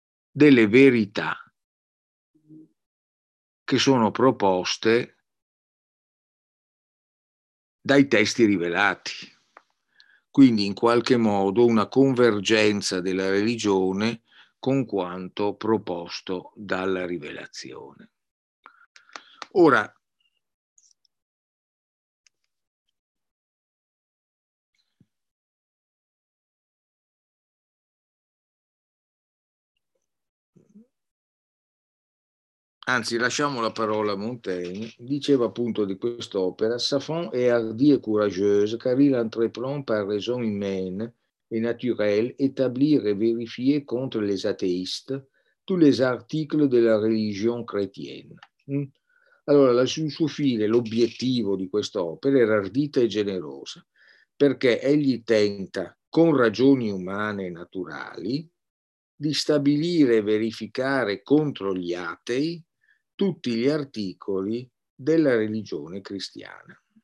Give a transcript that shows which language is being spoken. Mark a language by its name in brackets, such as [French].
[Italian] delle verità che sono proposte dai testi rivelati. Quindi in qualche modo una convergenza della religione con quanto proposto dalla rivelazione. Ora, anzi, lasciamo la parola a Montaigne, diceva appunto di quest'opera: [French] Safon est hardi et courageuse, car il entreprend par raison humaine et naturelle établir et vérifier contre les athéistes tous les articles de la religion chrétienne. [Italian] Allora, il suo fine, l'obiettivo di quest'opera era ardita e generosa, perché egli tenta con ragioni umane e naturali di stabilire e verificare contro gli atei tutti gli articoli della religione cristiana.